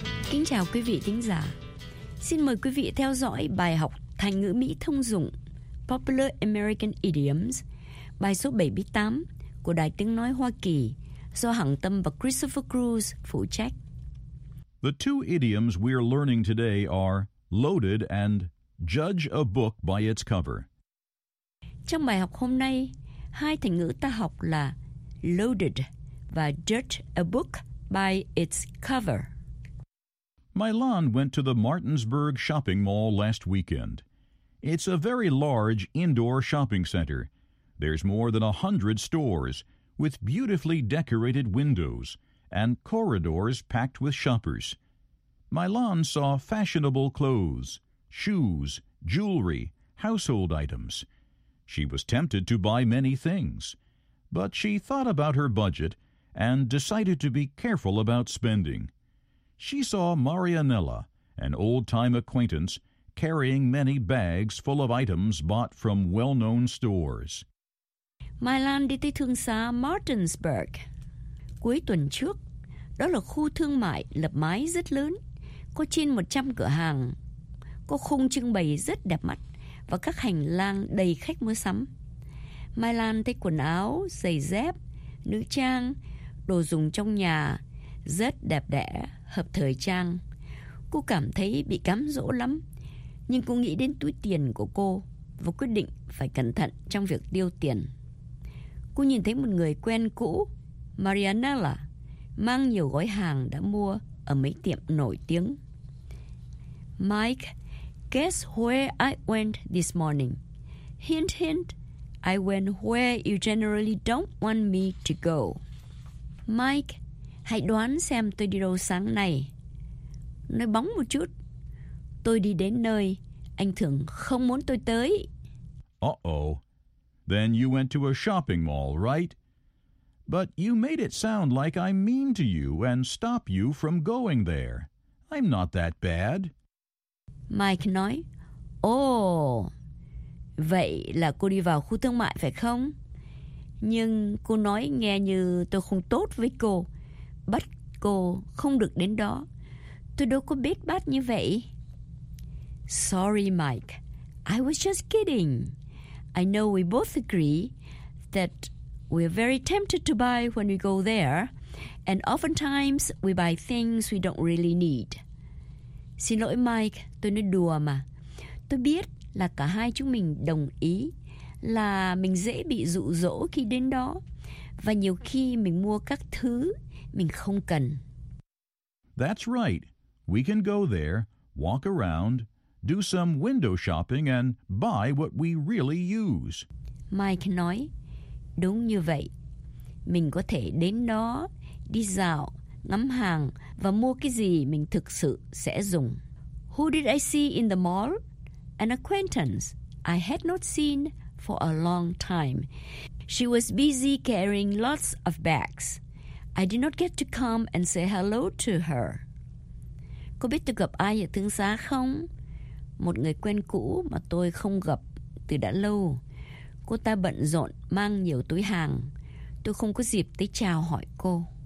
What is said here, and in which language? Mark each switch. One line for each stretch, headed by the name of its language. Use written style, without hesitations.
Vietnamese: Kính chào quý vị thính giả. Xin mời quý vị theo dõi bài học thành ngữ Mỹ thông dụng Popular American Idioms, bài số 78 của Đài Tiếng Nói Hoa Kỳ do Hằng Tâm và Christopher Cruz phụ trách.
English: The two idioms we are learning today are loaded and judge a book by its cover.
Vietnamese: Trong bài học hôm nay, hai thành ngữ ta học là loaded và
English: judge a book by its cover. Milan went to the Martinsburg shopping mall last weekend. It's a very large indoor shopping center. There's more than 100 stores with beautifully decorated windows and corridors packed with shoppers. Milan saw fashionable clothes, shoes, jewelry, household items. She was tempted to buy many things, but she thought about her budget and decided to be careful about spending. She saw Marianella, an old-time acquaintance, carrying many bags full of items bought from well-known stores.
Vietnamese: Milan đi tới thương xá Martinsburg. Cuối tuần trước, đó là khu thương mại lập mái rất lớn, có trên 100 cửa hàng, có khung trưng bày rất đẹp mắt và các hành lang đầy khách mua sắm. Mai Lan thấy quần áo, giày dép, nữ trang, đồ dùng trong nhà rất đẹp đẽ, hợp thời trang. Cô cảm thấy bị cám dỗ lắm, nhưng cô nghĩ đến túi tiền của cô và quyết định phải cẩn thận trong việc tiêu tiền. Cô nhìn thấy một người quen cũ, Marianella, mang nhiều gói hàng đã mua ở mấy tiệm nổi tiếng.
English: Mike, guess where I went this morning? Hint, hint, I went where you generally don't want me to go.
Vietnamese: Mike, hãy đoán xem tôi đi đâu sáng nay. Nói bóng một chút. Tôi đi đến nơi anh thường không muốn tôi tới.
English: Uh-oh. Then you went to a shopping mall, right? But you made it sound like I'm mean to you and stop you from going there. I'm not that bad.
Vietnamese: Mike nói, vậy là cô đi vào khu thương mại phải không? Nhưng cô nói nghe như tôi không tốt với cô, bắt cô không được đến đó. Tôi đâu có biết bát như vậy.
English: Sorry, Mike. I was just kidding. I know we both agree that we're very tempted to buy when we go there, and oftentimes we buy things we don't really need.
Vietnamese: Xin lỗi Mike, tôi nói đùa mà. Tôi biết là cả hai chúng mình đồng ý là mình dễ bị dụ dỗ khi đến đó, và nhiều khi mình mua các thứ mình không cần.
English: That's right. We can go there, walk around, do some window shopping and buy what we really use.
Vietnamese: Mike nói, đúng như vậy. Mình có thể đến đó, đi dạo, ngắm hàng và mua cái gì mình thực sự sẽ dùng.
English: Who did I see in the mall? An acquaintance I had not seen for a long time. She was busy carrying lots of bags. I did not get to come and say hello to her.
Vietnamese: Cô biết tôi gặp ai ở thương xá không? Một người quen cũ mà tôi không gặp từ đã lâu. Cô ta bận rộn mang nhiều túi hàng. Tôi không có dịp tới chào hỏi cô.